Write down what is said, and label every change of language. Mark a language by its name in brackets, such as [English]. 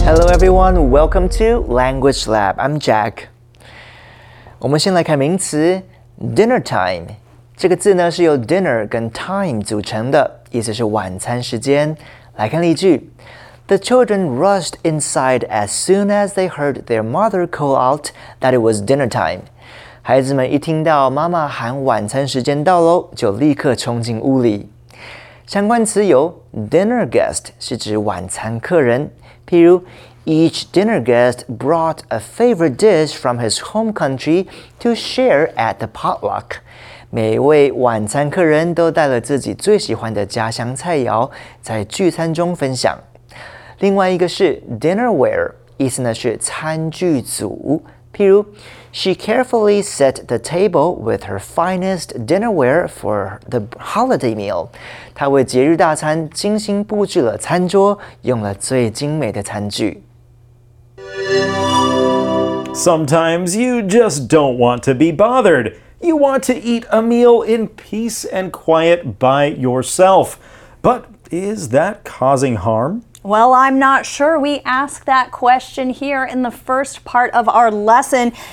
[English] Everyone, welcome to Language Lab. I'm Jack. [Chinese] 我们先来看名词 [English] dinner time. [Chinese] 这个字呢是由 dinner 跟 time 组成的，意思是晚餐时间。来看例句 [English] ：The children rushed inside as soon as they heard their mother call out that it was dinner time. [Chinese] 孩子们一听到妈妈喊晚餐时间到喽，就立刻冲进屋里。相关词有 dinner guest 是指晚餐客人，譬如。 [English] Each dinner guest brought a favorite dish from his home country to share at the potluck. [Chinese] 每位晚餐客人都带了自己最喜欢的家乡菜肴在聚餐中分享。另外一个是 dinnerware, 意思呢是餐具组。譬如 [English] She carefully set the table with her finest dinnerware for the holiday meal. [Chinese] 她为节日大餐精心布置了餐桌，用了最精美的餐具。 [English] Sometimes you just don't want to be bothered. You want to eat a meal in peace and quiet by yourself. But is that causing harm? Well, I'm not sure. We ask that question here in the first part of our lesson.